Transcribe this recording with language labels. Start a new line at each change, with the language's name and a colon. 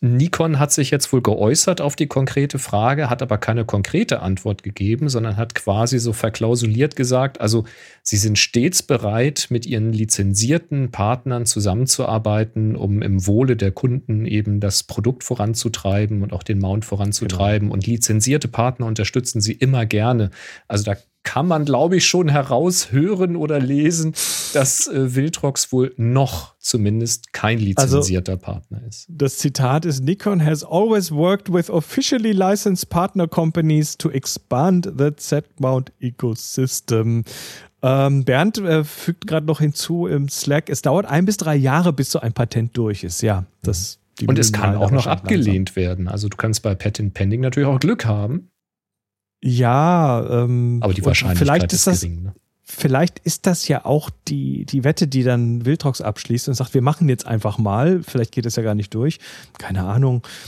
German: Und Nikon hat sich jetzt wohl geäußert auf die konkrete Frage, hat aber keine konkrete Antwort gegeben, sondern hat quasi so verklausuliert gesagt, also sie sind stets bereit, mit ihren lizenzierten Partnern zusammenzuarbeiten, um im Wohle der Kunden eben das Produkt voranzutreiben und auch den Mount voranzutreiben. Genau. Und lizenzierte Partner unterstützen sie immer gerne. Also da kann man, glaube ich, schon heraushören oder lesen, dass Wildrox wohl noch zumindest kein lizenzierter Partner ist. Das Zitat ist,
English: Nikon has always worked with officially licensed partner companies to expand the Z-Mount ecosystem.
German: Bernd fügt gerade noch hinzu im Slack, es dauert 1 bis 3 Jahre, bis so ein Patent durch ist. Ja, das und es kann auch noch abgelehnt werden. Also du kannst bei Patent Pending natürlich auch Glück haben. Ja, aber die Wahrscheinlichkeit vielleicht ist das gering, ne? Vielleicht ist das ja auch die Wette, die dann Wildrox abschließt und sagt, wir machen jetzt einfach mal, vielleicht geht es ja gar nicht durch, keine Ahnung.